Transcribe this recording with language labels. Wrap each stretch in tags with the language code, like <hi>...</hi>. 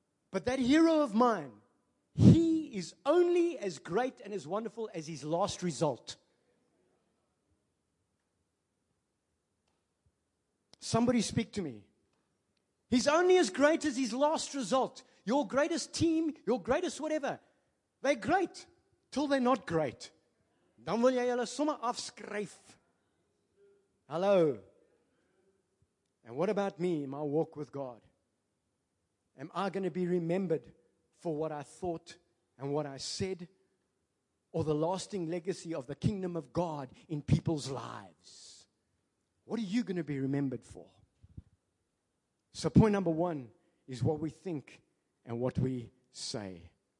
<en>But that hero of mine, he is only as great and as wonderful as his last result. Somebody speak to me. He's only as great as his last result. Your greatest team, your greatest whatever, they're great till they're not great.</en> <af>Dan wil jy hulle sommer afskryf.</af> <en>Hello. And what about me, my walk with God? Am I going to be remembered for what I thought and what I said, or the lasting legacy of the kingdom of God in people's lives? What are you going to be remembered for? So point number one is what we think and what we say.</en>